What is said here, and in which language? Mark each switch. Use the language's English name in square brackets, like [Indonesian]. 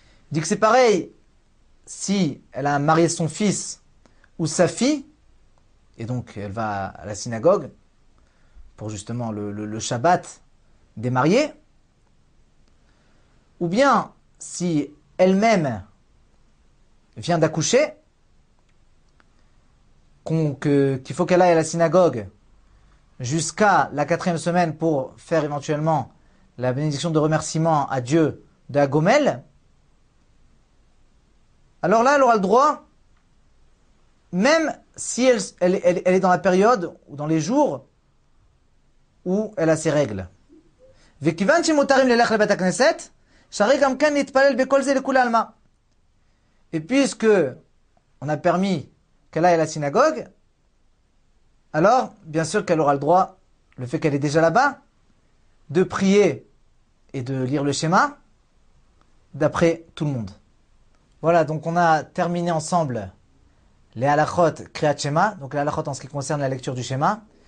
[French] Dit que c'est pareil si elle a marié son fils ou sa fille, et donc elle va à la synagogue pour justement le Shabbat des mariés, ou bien si elle-même vient d'accoucher, qu'il faut qu'elle aille à la synagogue jusqu'à la 4e semaine pour faire éventuellement la bénédiction de remerciement à Dieu de la Gomel, alors là, elle aura le droit, même si elle est dans la période ou dans les jours où elle a ses règles. [Hebrew] וכיוון שמותרים ללך לבית הכנסת, שרי גם כן להתפלל בכל זה לכולי עלמא. [French] Et puisque on a permis qu'elle aille à la synagogue, alors bien sûr qu'elle aura le droit, le fait qu'elle est déjà là-bas, de prier et de lire le schéma d'après tout le monde. Voilà, donc on a terminé ensemble les halakhot kriyat shema, donc les halakhot en ce qui concerne la lecture du schéma.